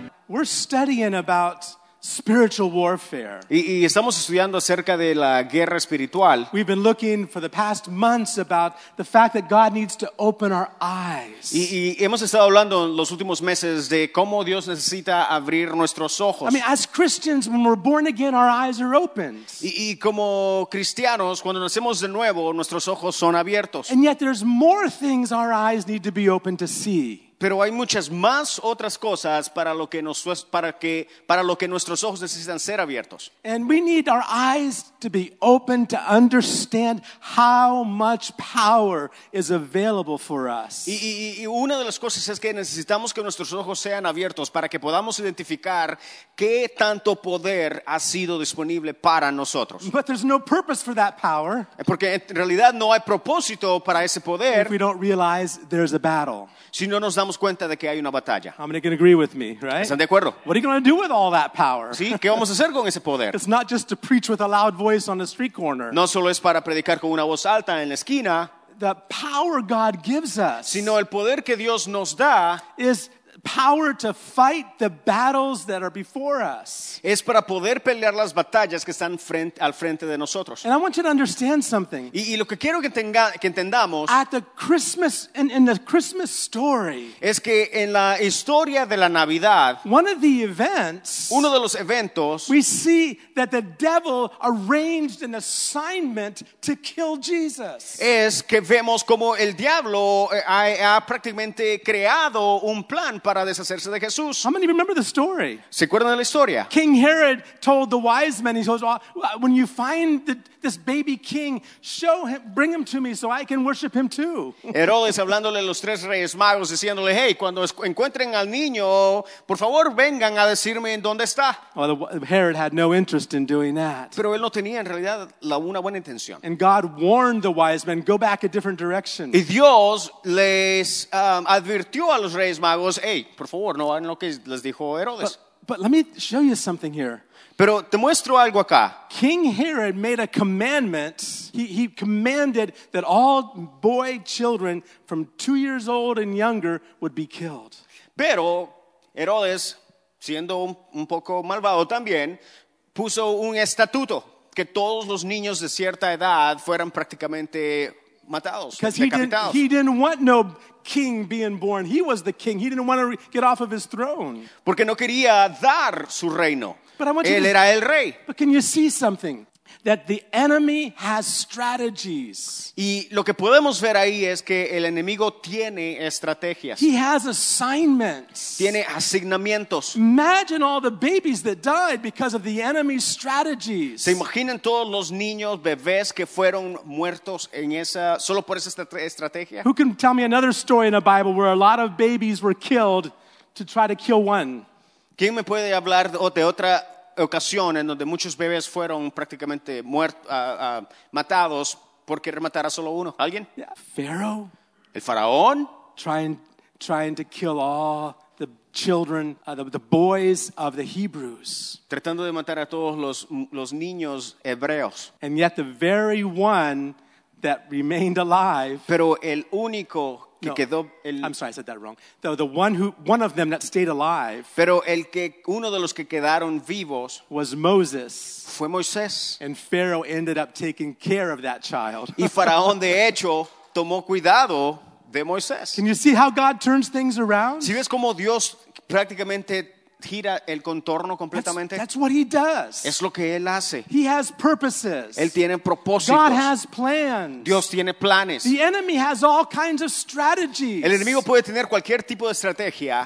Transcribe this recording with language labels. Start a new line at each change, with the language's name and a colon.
English: We're studying about spiritual warfare.
Spanish: Y estamos estudiando acerca de la guerra espiritual.
English: We've been looking for the past months about the fact that God needs to open our eyes.
Spanish: Y hemos estado hablando en los últimos meses de cómo Dios necesita abrir nuestros ojos.
English: I mean, as Christians, when we're born again, our eyes are opened.
Spanish: Y como cristianos, cuando nacemos de nuevo, nuestros ojos son abiertos.
English: And yet there's more things our eyes need to be open to see.
Spanish: Pero hay muchas más otras cosas para lo que nuestros ojos necesitan ser abiertos.
English: And we need our eyes to be open to understand how much power is available for us.
Spanish: Y una de las cosas es que necesitamos que nuestros ojos sean abiertos para que podamos identificar qué tanto poder ha sido disponible para nosotros.
English: But there's no purpose for that power.
Spanish: Porque en realidad no hay propósito para ese poder.
English: If we don't realize there's a battle.
Spanish: Si no nos damos cuenta de que hay una batalla.
English: How many can agree with me, right?
Spanish: ¿Están de acuerdo?
English: What are you going to do with all that power?
Spanish: ¿Sí? ¿Qué vamos a hacer con ese poder?
English: It's not just to preach with a loud voice on the street corner.
Spanish: No solo es para predicar con una voz alta en la esquina.
English: The power God gives us,
Spanish: sino el poder que Dios nos da,
English: is power to fight the battles that are before us.
Spanish: Es para poder pelear las batallas que están al frente de nosotros.
English: And I want you to understand something.
Spanish: Y lo que quiero que entendamos
English: at the Christmas, in the Christmas story,
Spanish: es que en la historia de la Navidad,
English: one of the events,
Spanish: uno de los eventos,
English: we see that the devil arranged an assignment to kill Jesus.
Spanish: Es que vemos como el diablo ha prácticamente creado un plan para deshacerse de Jesús.
English: How many remember the story?
Spanish: ¿Se acuerdan de la historia?
English: King Herod told the wise men, he says, when you find this baby king, show him, bring him to me so I can worship him too.
Spanish: Herodes hablándole a los tres reyes magos, diciéndole, hey, cuando encuentren al niño, por favor vengan a decirme en dónde está.
English: Well, Herod had no interest in doing that.
Spanish: Pero él no tenía en realidad una buena intención.
English: And God warned the wise men, go back a different direction.
Spanish: Y Dios les advirtió a los reyes magos, hey, por favor, no hagan lo que les dijo Herodes.
English: But let me show you something here.
Spanish: Pero te muestro algo acá.
English: King Herod made a commandment. He commanded that all boy children from 2 years old and younger would be killed.
Spanish: Pero Herodes, siendo un poco malvado también, puso un estatuto que todos los niños de cierta edad fueran prácticamente matados, decapitados.
English: He didn't want no king being born. He was the king. He didn't want to get off of his throne.
Spanish: Porque no quería dar su reino.
English: But I want
Spanish: él
English: to,
Spanish: era el rey.
English: But can you see something? That the enemy has strategies.
Spanish: Y lo que podemos ver ahí es que el enemigo tiene estrategias.
English: He has assignments.
Spanish: Tiene asignamientos.
English: Imagine all the babies that died because of the enemy's strategies.
Spanish: ¿Se imaginan todos los niños, bebés que fueron muertos en esa solo por esa estrategia?
English: Who can tell me another story in the Bible where a lot of babies were killed to try to kill one?
Spanish: ¿Quién me puede hablar de otra ocasión en donde muchos bebés fueron prácticamente matados por querer matar a solo uno? ¿Alguien?
English: Yeah. Pharaoh.
Spanish: El faraón.
English: Trying to kill all the children, the boys of the Hebrews.
Spanish: Tratando de matar a todos los niños hebreos.
English: And yet the very one that remained alive.
Spanish: Pero el único que quedó el,
English: I'm sorry, I said that wrong. The one who, one of them that stayed alive.
Spanish: Pero el que uno de los que quedaron vivos
English: was Moses.
Spanish: Fue Moisés.
English: And Pharaoh ended up taking care of that child.
Spanish: Y Faraón de hecho tomó cuidado de Moisés.
English: Can you see how God turns things around?
Spanish: ¿Si ves cómo Dios prácticamente gira el contorno completamente?
English: That's what he does.
Spanish: Es lo que él hace.
English: He has purposes.
Spanish: Él tiene propósitos.
English: God has plans.
Spanish: Dios tiene planes.
English: The enemy has all kinds of strategies.
Spanish: El enemigo puede tener cualquier tipo de estrategia.